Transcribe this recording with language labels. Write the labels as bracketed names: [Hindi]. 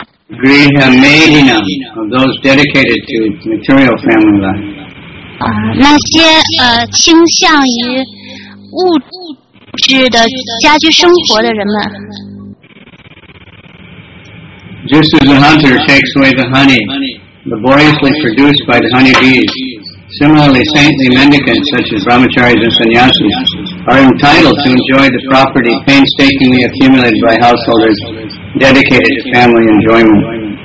[English] Grihamedina, of those dedicated to material family life. [Chinese] 那些倾向于物质的家居生活的人们。 [English] Just as a hunter takes away the honey laboriously produced by the honeybees, similarly saintly mendicants such as brahmacharis and sannyasis are entitled to enjoy the property painstakingly accumulated by householders dedicated to family enjoyment.